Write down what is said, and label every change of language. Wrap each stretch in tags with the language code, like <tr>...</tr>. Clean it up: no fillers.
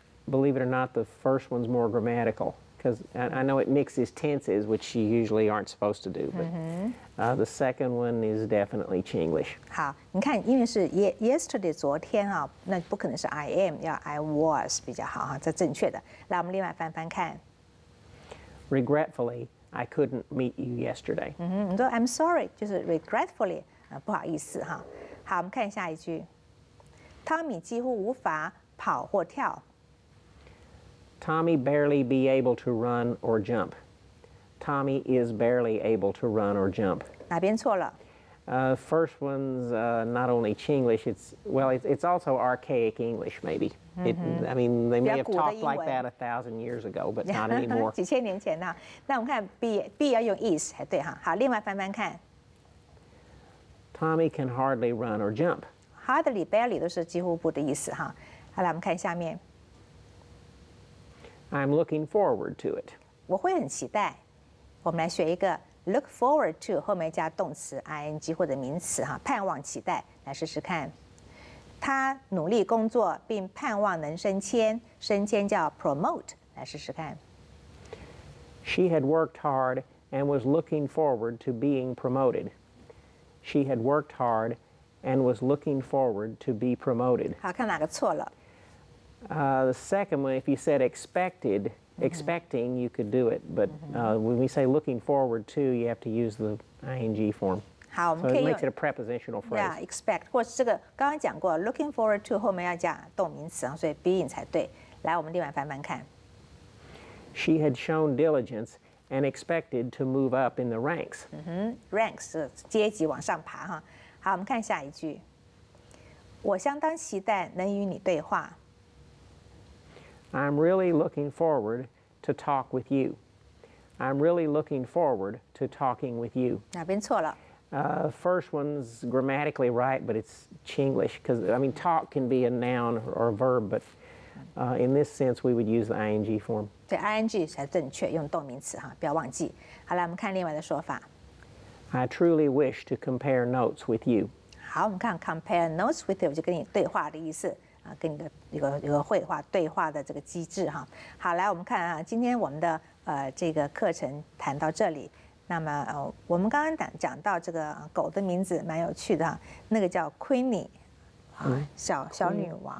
<en>Believe it or not, the first one's more grammatical because I know it mixes tenses, which you usually aren't supposed to do. But the second one is definitely Chinglish.</en> <zh>好，你看，因为是</zh> <en>yesterday</en> <zh>昨天啊，那不可能是</zh> <en>I am，</en> <zh>要</zh> <en>I was</en> <zh>比较好哈，这正确的。来，我们另外翻翻看。</zh> <en>Regretfully, I couldn't meet you yesterday.</en> <zh>你说</zh> <en>I'm sorry，</en> <zh>就是</zh> <en>regretfully</en> <zh>啊，不好意思哈。好，我们看下一句。Tommy 几乎无法。跑或跳。</zh> <en>Tommy barely be able to run or jump. Tommy is barely able to run or jump.</en> <zh>哪边错了？</zh> <en>First one's not only Chinglish. It's also archaic English, maybe. They may have talked like that 1,000 years ago, but not anymore.</en> <zh>几千年前呢、啊？那我们看 B 要用</zh> <en>is</en> <zh>才对哈。好，另外翻翻看。</zh> <en>Tommy can hardly run or jump. Hardly, barely</en> <zh>都是几乎不的意思哈。好来，我们看下面。</zh> <en>I'm looking forward to it.</en> <zh>我会很期待。我们来学一个</zh> <en>look forward to</en> <zh>后面加动词 ing 或者名词哈，盼望、期待，来试试看。他努力工作并盼望能升迁，升迁叫</zh> <en>promote，</en> <zh>来试试看。</zh> <en>She had worked hard and was looking forward to being promoted. She had worked hard and was looking forward to be promoted.</en> <zh>好，看哪个错了。</zh> <en>The second one, if you said expected, expecting, you could do it. But when we say looking forward to, you have to use the ing form.</en> <zh>好，我们可以用。</zh> <en>So it makes it a prepositional phrase. Yeah, expect.</en> <zh>或是这个刚刚讲过 ，</zh> <en>looking forward to</en> <zh>后面要加动名词，所以</zh> <en>being</en> <zh>才对。来，我们另外翻翻看。</zh> <en>She had shown diligence and expected to move up in the ranks. Ranks</en> <zh>阶级往上爬哈。好，我们看下一句。我相当期待能与你对话。</zh> <en>I'm really looking forward to talk with you. I'm really looking forward to talking with you.</en> <zh>哪边错了？</zh> <en>First one's grammatically right, but it's Chinglish because I mean talk can be a noun or a verb, but in this sense we would use the ing form.</en> <zh>对 ，ing 才正确，用动名词哈，不要忘记。好了，我们看另外的说法。</zh> <en>I truly wish to compare notes with you.</en> <zh>好，我们看</zh> <en>compare notes with you</en> <zh>就跟你对话的意思。跟你的一个绘画对话的这个机制哈，好，来我们看啊，今天我们的这个课程谈到这里，那么我们刚刚讲到这个狗的名字蛮有趣的哈，那个叫 Queenie， 小女王，</zh>